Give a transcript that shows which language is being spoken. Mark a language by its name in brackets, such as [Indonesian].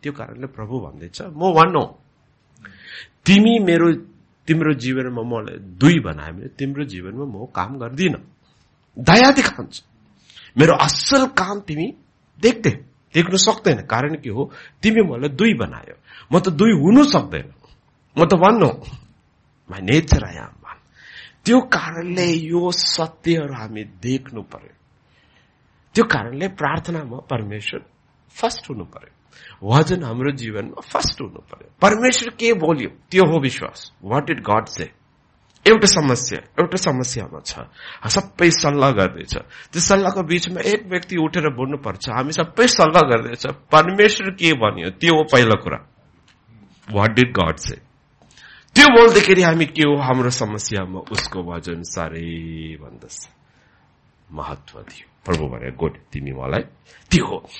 [Nepali] त्यो कारणले प्रभु भन्दैछ म वान हो, तिमी मेरो तिम्रो जीवनमा मलाई दुई बनायो भने तिम्रो जीवनमा म काम गर्दिन, दया देखाउँछ, मेरो असल काम तिमी देख्न सक्दैन, कारण के हो, तिमी मलाई दुई बनायो, म त दुई हुनु सक्दैन, म त वान हो, [English] My nature I am. [Nepali] त्यो कारणले यो सत्यहरू हामी देख्नु पर्यो, त्यो कारणले प्रार्थनामा परमेश्वर फर्स्ट हुनु पर्यो, वचन हाम्रो जीवनमा फर्स्ट हुनु पर्यो। परमेश्वर के बोल्यो त्यो हो विश्वास, [English] What did God say. [Nepali] एउटा समस्यामा छ, सबै सल्लाह गर्दैछ, त्यो सल्लाहको बीचमा एक व्यक्ति उठेर बोल्नु पर्छ, हामी सबै सल्लाह गर्दैछ, परमेश्वर के भन्यो त्यो हो पहिलो कुरा, [English] What did God say. [Nepali] त्यो बोल्दाखेरि हामी के हो हाम्रो समस्यामा उसको वचन साह्रै भन्दछ महत्व दियो, प्रभु भने गोड तिमी मलाई त्यो हो।